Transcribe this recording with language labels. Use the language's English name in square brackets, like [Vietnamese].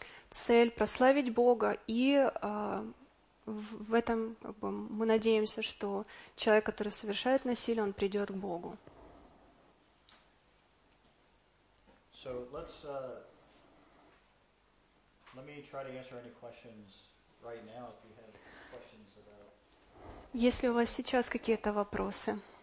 [Russian] Цель — прославить Бога, и в этом как бы, мы надеемся, что человек, который совершает насилие, он придет к Богу. [English] So let's let me try to answer any questions right now if you have questions about. [Russian] Есть ли у вас сейчас какие-то вопросы?